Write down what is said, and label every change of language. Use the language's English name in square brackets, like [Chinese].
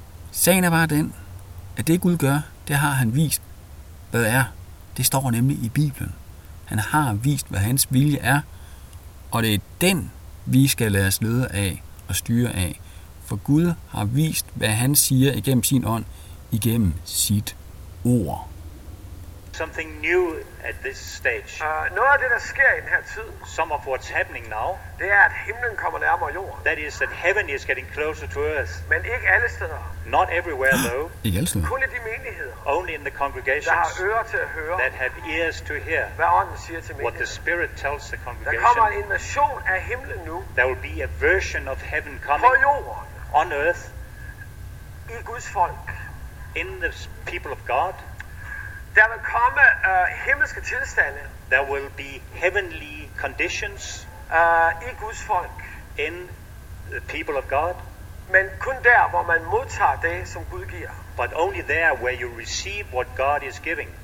[Danish] Sagen er bare den, at det Gud gør, det har han vist, hvad er. Det står nemlig i Bibelen. Han har vist, hvad hans vilje er. Og det er den, vi skal lade os lede af og styre af. For Gud har vist, hvad han siger igennem sin ånd, igennem sit ord. [English] Something new at this stage. [Danish] Noget af det, der sker i den her tid. [English] Some of what's happening now. [Danish] Det er, at himlen kommer nærmere jorden. [English] That is that heaven is getting closer to earth. [Danish] Men ikke alle steder. [English] Not everywhere though. [Danish] Ikke alle steder. Kun i de menigheder. [English] Only in the congregations. [Danish] Der har ører til at høre. [English] That have ears to hear. [Danish] Hvad ånden siger til menigheden. [English] What the Spirit tells the congregation. [Danish] Der kommer en version af himlen nu. [English] There will be a version of heaven coming. [Danish] På jorden. [English] On earth. [Danish] I Guds folk. [English] in the people of God. [Danish] Der vil komme himmelske tilstande. [English] There will be heavenly conditions [Danish] I Guds folk. [English] In the people of God. [Danish] Men kun der, hvor man modtager det, som Gud giver. [English] But only there where you receive what God is giving.